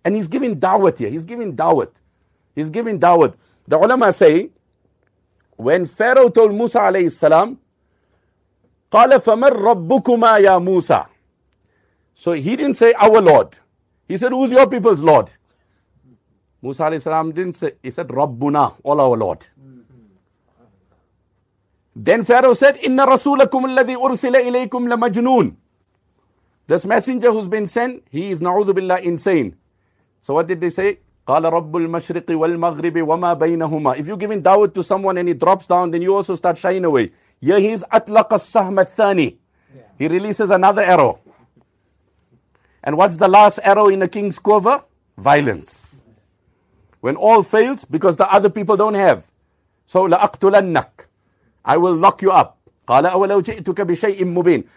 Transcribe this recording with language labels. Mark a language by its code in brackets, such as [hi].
[en] And he's giving da'wat here. He's giving da'wat. The ulama say, when Pharaoh told Musa alayhi salam, [ar] قَالَ فَمَنْ رَبُّكُمَا يَا مُوسَى. [en] So he didn't say, our Lord. He said, who's your people's Lord? Musa alayhi salam didn't say, he said, رَبُّنَا, all our Lord. Then Pharaoh said, [ar] إِنَّ رَسُولَكُمُ الَّذِي أُرْسِلَ إِلَيْكُمْ لَمَجْنُونَ. [en] This messenger who's been sent, he is, [ar] نَعُوذُ بِاللَّهِ, [en] insane. So what did they say? [ar] قَالَ رَبُّ الْمَشْرِقِ وَالْمَغْرِبِ وَمَا بَيْنَهُمَا. [en] If you're giving da'wah to someone and he drops down, then you also start shying away. Yeah, he's [ar] أَطْلَقَ السَّهْمَ الثَّانِي. [en] He releases another arrow. And what's the last arrow in a king's quiver? Violence. When all fails, because the other people don't have. So لَأَقْتُلَنَّكَ, I will lock you up. [ar] قَالَ أَوَلَوْ جِئْتُكَ بِشَيْءٍ مُّبِينٍ.